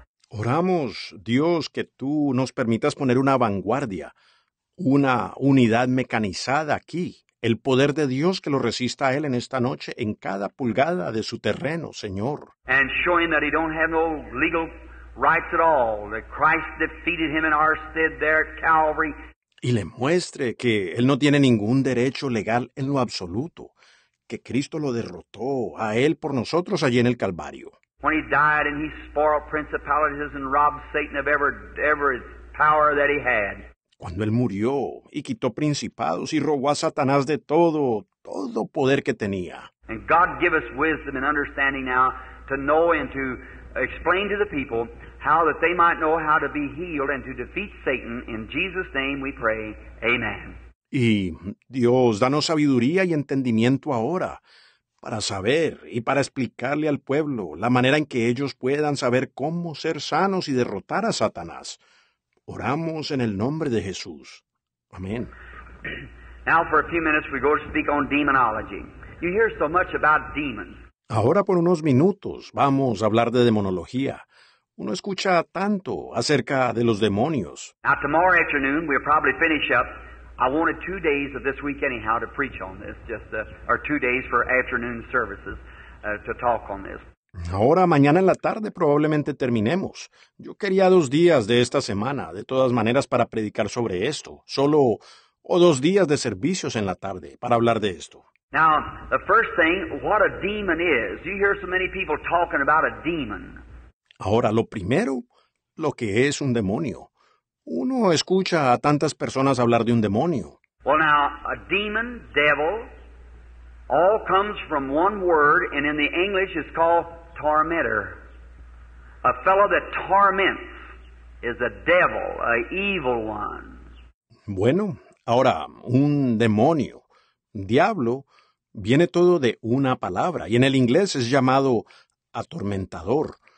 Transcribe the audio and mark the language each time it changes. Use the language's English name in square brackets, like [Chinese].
[Spanish] Oramos, Dios, que tú nos permitas poner una vanguardia, una unidad mecanizada aquí. El poder de Dios que lo resista a él en esta noche, en cada pulgada de su terreno, Señor. [English] And show him that he don't have no legal writes it all, that Christ defeated him in our stead there at Calvary. [Spanish] Y le muestre que él no tiene ningún derecho legal en lo absoluto, que Cristo lo derrotó a él por nosotros allí en el Calvario. [English] When he died and he spoiled principalities and robbed Satan of ever his power that he had. [Spanish] Cuando él murió y quitó principados y robó a Satanás de todo poder que tenía. [English] And God give us wisdom and understanding now to know and to explain to the people how that they might know how to be healed and to defeat Satan. In Jesus' name we pray, amen. [Spanish] Y Dios, danos sabiduría y entendimiento ahora para saber y para explicarle al pueblo la manera en que ellos puedan saber cómo ser sanos y derrotar a Satanás. Oramos en el nombre de Jesús. Amén. [English] Now for a few minutes we go to speak on demonology. You hear so much about demons. [Spanish] Ahora por unos minutos vamos a hablar de demonología. Uno escucha tanto acerca de los demonios. [English] Now tomorrow afternoon we'll probably finish up. I wanted 2 days of this week anyhow to preach on this, or 2 days for afternoon services to talk on this. [Spanish] Ahora, mañana en la tarde probablemente terminemos. Yo quería 2 días de esta semana, de todas maneras, para predicar sobre esto. Solo, o 2 días de servicios en la tarde para hablar de esto. [English] Now, the first thing, what a demon is. You hear so many people talking about a demon. [Spanish] Ahora, lo primero, lo que es un demonio. Uno escucha a tantas personas hablar de un demonio. [English] Well, now, a demon, devil, all comes from one word, and in the English it's called tormentor. A fellow that torments is a devil, a evil one. [Spanish] Bueno, ahora, un demonio, diablo, viene todo de una palabra, y en el inglés es llamado atormentador.